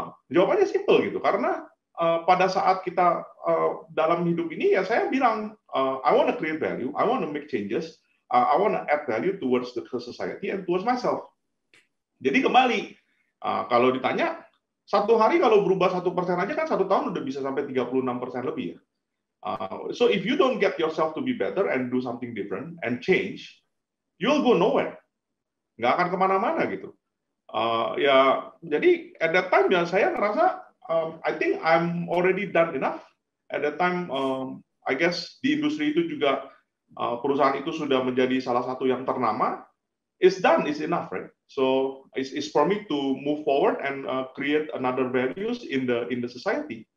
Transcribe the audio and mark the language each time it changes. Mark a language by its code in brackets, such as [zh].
[id] Jawabannya simple gitu, karena pada saat kita dalam hidup ini ya saya bilang [en] I want to create value, I want to make changes, I want to add value towards the society and towards myself. [id] Jadi kembali kalau ditanya, satu hari kalau berubah 1% aja kan satu tahun udah bisa sampai 36% lebih ya. [en] So if you don't get yourself to be better and do something different and change, you'll go nowhere. [id] Nggak akan kemana-mana gitu. Ya jadi [en] at that time [id] ya saya ngerasa [en] I think I'm already done enough. At that time I guess [id] di industri itu juga perusahaan itu sudah menjadi salah satu yang ternama. [en] It's done, it's enough, right? So it's for me to move forward and create another values in the society.